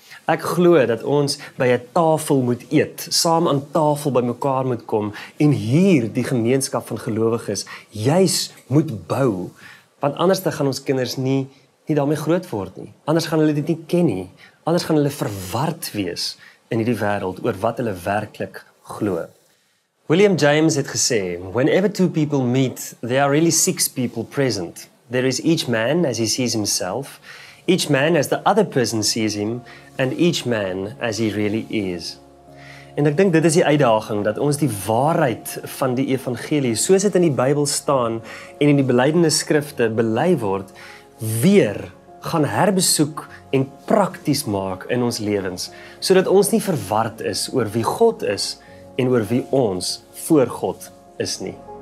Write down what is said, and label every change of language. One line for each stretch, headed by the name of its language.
Afrikaans: Ek glo dat ons by 'n tafel moet eet, saam aan tafel by mekaar moet kom en hier die gemeenskap van gelowiges juis moet bou. Want anders dan gaan ons kinders nie daarmee groot word nie. Anders gaan hulle dit nie ken nie. Anders gaan hulle verward wees in hierdie wêreld oor wat hulle werklik glo. William James het gesê,
English: "Whenever two people meet, there are really six people present. There is each man as he sees himself, each man as the other person sees him, and each man as he really is."
Afrikaans: En ek dink dit is die uitdaging, dat ons die waarheid van die evangelie, soos dit in die Bybel staan en in die belydenisskrifte bely word, weer gaan herbesoek en prakties maak in ons lewens, sodat ons nie verward is oor wie God is, en oor wie ons voor God is nie.